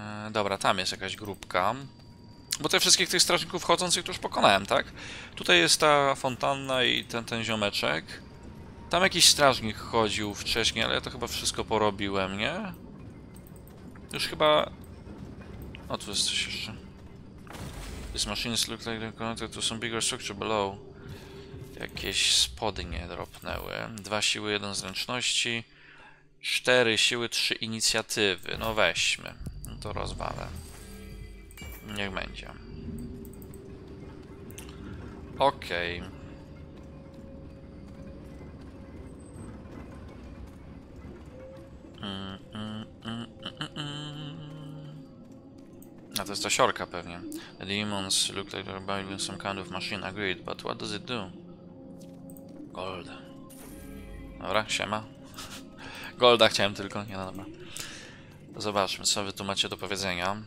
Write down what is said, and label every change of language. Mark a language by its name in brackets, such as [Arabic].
[Polish] Dobra, tam jest jakaś grupka. Bo te wszystkich tych strażników chodzących to już pokonałem, tak? Tutaj jest ta fontanna i ten ziomeczek. Tam jakiś strażnik chodził wcześniej, ale ja to chyba wszystko porobiłem, nie? Już chyba... O, tu jest coś jeszcze. [English] This machine looks like they're connected to some bigger structure below. [Polish] Jakieś spodnie dropnęły. Dwa siły, jeden zręczności. Cztery siły, trzy inicjatywy. No weźmy. No to rozwalę. Niech będzie. Okej. A to jest ta siorka pewnie. [English] The demons look like they're building some kind of machine. Agreed, but what does it do? [Polish] Gold. Dobra, siema. Golda chciałem tylko, nie, no dobra. Zobaczmy, co wy tu macie do powiedzenia.